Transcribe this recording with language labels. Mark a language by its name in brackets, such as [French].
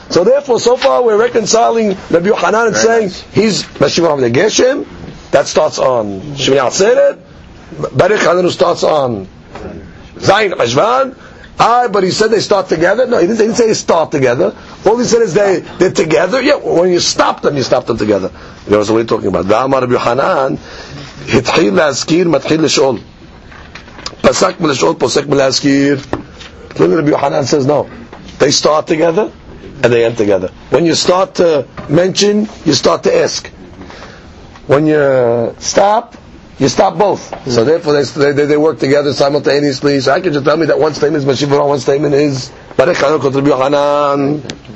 [English] So therefore, so far we're reconciling Rabbi Yochanan and saying he's Mashiva Rav Negeshem, that starts on Shemini Atzeret, Barich Aleinu starts on Zayin Cheshvan. But he said they start together. No, he didn't say they start together. All he said is they're together. Yeah, when you stop them together. You know, so what are you talking about? [Hebrew] V'amar Rabbi Yochanan, התחיל להזכיר, מתחיל לשאול. פסק מלשאול, פוסק מלהזכיר. [English] Then Rabbi Yohanan says, no. They start together, and they end together. When you start to mention, you start to ask. When you stop, you stop both. So therefore, they work together simultaneously. So how could you tell me that one statement is Mashiach Baruch, one statement is Barich Aleinu kol Rabbi Yohanan?